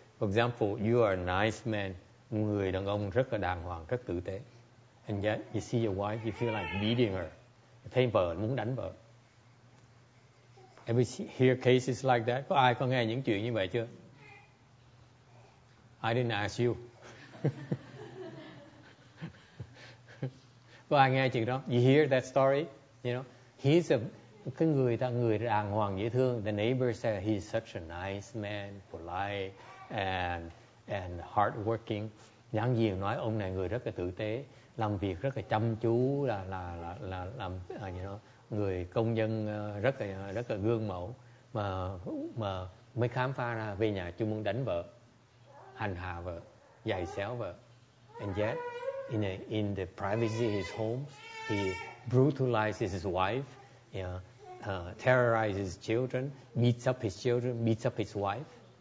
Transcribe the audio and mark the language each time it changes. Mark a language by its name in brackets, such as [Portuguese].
[English] For example, you are a nice man, [Vietnamese] người đàn ông rất là đàng hoàng, rất tử tế. [English] And yet, you see your wife, you feel like beating her. [Vietnamese] Thấy vợ muốn đánh vợ. [English] Have you hear cases like that? [Vietnamese] Có ai có nghe những chuyện như vậy chưa? [English] I didn't ask you. [Vietnamese] Có ai nghe chuyện đó? [English] You hear that story? You know, he's a [Vietnamese] cái người ta người đàng hoàng dễ thương. [English] The neighbor said he's such a nice man, polite and hardworking. [Vietnamese] Giảng viên nói ông này người rất là tử tế, làm việc rất là chăm chú, là làm [English] you know. [Vietnamese] Người công nhân rất là gương mẫu mà mới khám phá ra về nhà chú muốn đánh vợ, hành hạ vợ, giày xéo vợ. [English] And yet, in the privacy of his home, he brutalizes his wife, terrorizes his children, beats up his wife.